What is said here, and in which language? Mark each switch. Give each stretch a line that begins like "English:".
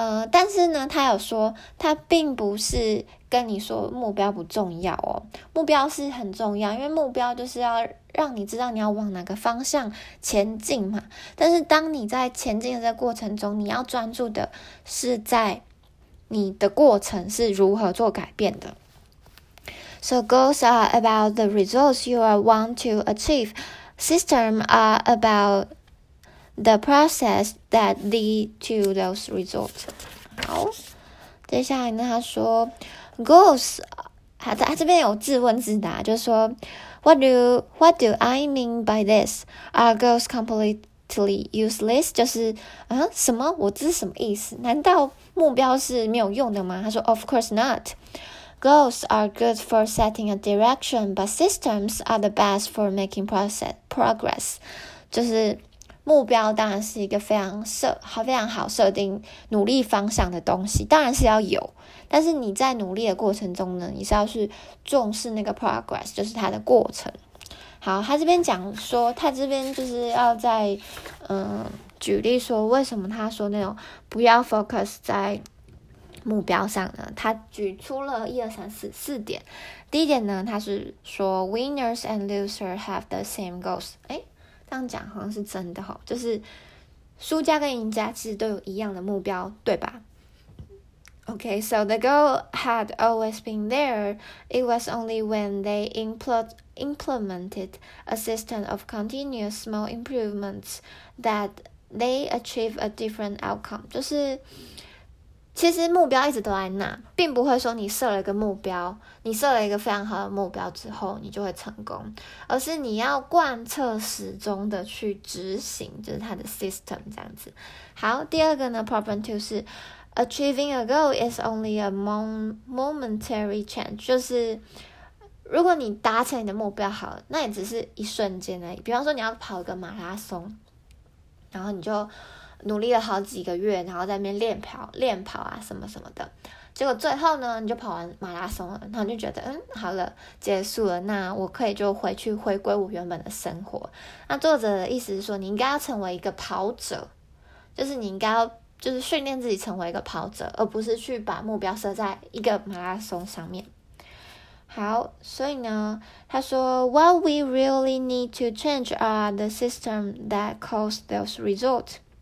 Chinese: 但是呢他有说他并不是跟你说目标不重要哦，目标是很重要，因为目标就是要让你知道你要往哪个方向前进嘛。但是当你在前进的这个过程中，你要专注的是在你的过程是如何做改变的。
English: So goals are about the results you want to achieve. Systems are about the process that lead to those results.
Chinese: 好，接下来呢，他说 goals， 他这边有自问自答，就是说
English: What do I mean by this? Are goals completely useless?
Chinese: 就是什么？我这是什么意思？难道目标是没有用的吗？他说
English: Of course not. Goals are good for setting a direction, but systems are the best for making progress.
Chinese: 就是目标当然是一个非常好设定努力方向的东西，当然是要有，但是你在努力的过程中呢，你是要去重视那个 progress， 就是它的过程。好，他这边讲说，他这边就是要在举例说，为什么他说那种不要 focus 在目标上呢，他举出了1、2、3、4点。第一点呢，他是说
English: winners and losers have the same goals。
Chinese: 哎，这样讲好像是真的哈，就是输家跟赢家其实都有一样的目标，对吧 ？
English: Okay, so the goal had always been there. It was only when they implemented a system of continuous small improvements that they achieved a different outcome.
Chinese: 就是其实目标一直都在那，并不会说你设了一个目标，你设了一个非常好的目标之后你就会成功，而是你要贯彻始终的去执行，就是它的 system 这样子。好，第二个呢 problem 2是
English: achieving a goal is only a momentary change，
Chinese: 就是如果你达成你的目标好了，那也只是一瞬间而已。比方说你要跑一个马拉松，然后你就努力了好几个月，然后在那边练跑啊什么什么的，结果最后呢你就跑完马拉松了，然后就觉得好了，结束了，那我可以就回去回归我原本的生活。那作者的意思是说，你应该要成为一个跑者，就是你应该要就是训练自己成为一个跑者，而不是去把目标设在一个马拉松上面。好，所以呢他说
English: What we really need to change are the system that cause those results。